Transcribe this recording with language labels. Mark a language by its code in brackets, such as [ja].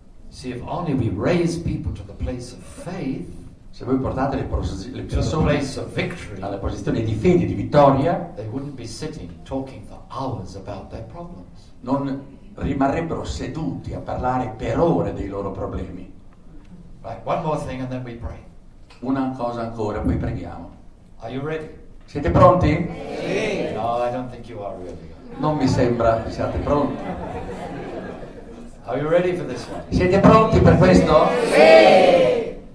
[en] See, if only we raise people to the place of faith, [it] se voi portate le persone [en] victory, [it] alla posizione di fede, di vittoria, [en] they wouldn't be sitting talking for hours about their problems. [it] Non rimarrebbero seduti a parlare per ore dei loro problemi. [en] Right, one more thing and then we pray. [it] Una cosa ancora, poi preghiamo. [en] Are you ready? [it] Siete pronti? Sì. [en] No, I don't think you are really. [it] Non mi sembra che siate pronti. [en] Are you ready for this one? [it] Siete pronti per questo? Sì.